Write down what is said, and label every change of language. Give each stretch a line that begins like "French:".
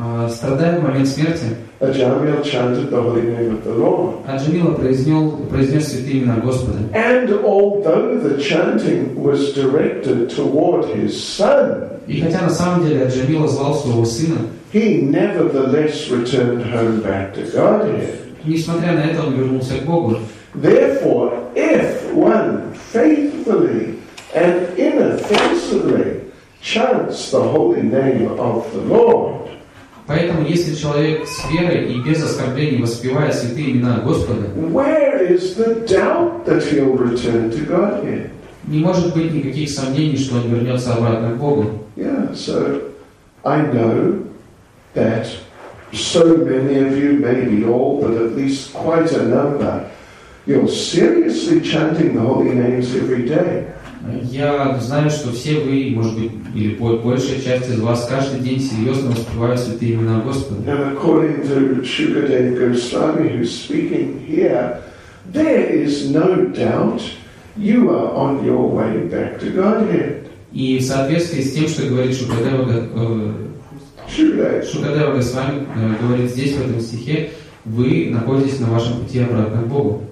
Russian: страдая в момент смерти,
English: Jamil chanted the holy name of the Lord.
Russian: Jamil произнес святые имена Господа.
English: And although the chanting was directed toward his son,
Russian: и хотя на самом деле Jamil звал своего сына.
English: He nevertheless returned home back to Godhead.
Russian: Несмотря на это, он вернулся к Богу.
English: Therefore, if one faithfully and inoffensively chants the holy name of the Lord,
Russian: поэтому если человек с верой и без оскорблений воспевает святые имена Господа,
English: where is the doubt that he'll return to Godhead?
Russian: Не может быть никаких сомнений, что он вернется обратно к Богу.
English: Yeah, so I know that so many of you, maybe all, but at least quite a number, you're seriously chanting the holy names every day.
Russian: Я знаю, что все вы, может быть, или большая часть из вас каждый день серьезно воспевают святые имена Господа.
English: And according to Shukadeva Goswami, who's speaking here, there is no doubt you are on your way back to Godhead.
Russian: И в соответствии с тем, что говорит Шукадева. Шукадева Госвами говорит здесь, в этом стихе, вы находитесь на вашем пути обратно к Богу.